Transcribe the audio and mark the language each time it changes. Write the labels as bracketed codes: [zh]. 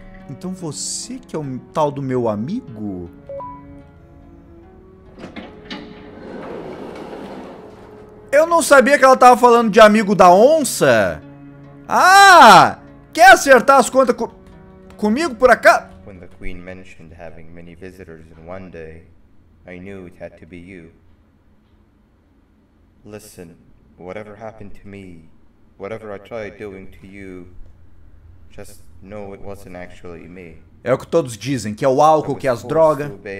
[pt] Então você que é o tal do meu amigo? Eu não sabia que ela tava falando de amigo da onça. Ah! Quer acertar as contas com... comigo por acaso? [en] When the queen mentioned having many visitors in one day, I knew it had to be you. Listen, whatever happened to me, whatever I tried doing to you, just know it wasn't actually me. [pt] É o que todos dizem, que é o álcool, que é as drogas.